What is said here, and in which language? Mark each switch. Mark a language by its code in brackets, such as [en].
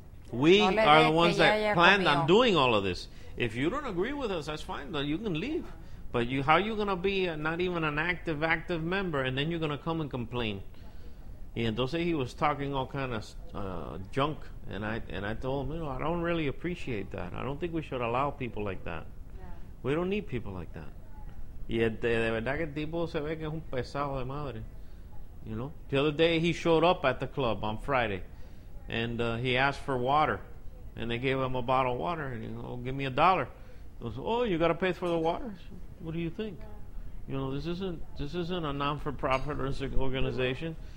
[en] We are the ones that planned on doing all of this. If you don't agree with us, that's fine, then you can leave. But how are you going to be not even an active member, and then you're going to come and complain? [es] Y entonces [en] he was talking all kind of junk. And I told him, you know, I don't really appreciate that. I don't think we should allow people like that. Yeah. We don't need people like that. [es] Y de verdad que el tipo se ve que es un pesado de madre. [en] You know? The other day he showed up at the club on Friday. And he asked for water. And they gave him a bottle of water. And he goes, oh, give me a dollar. He goes, oh, you got to pay for the water? What do you think? You know, this isn't a non-for-profit organization.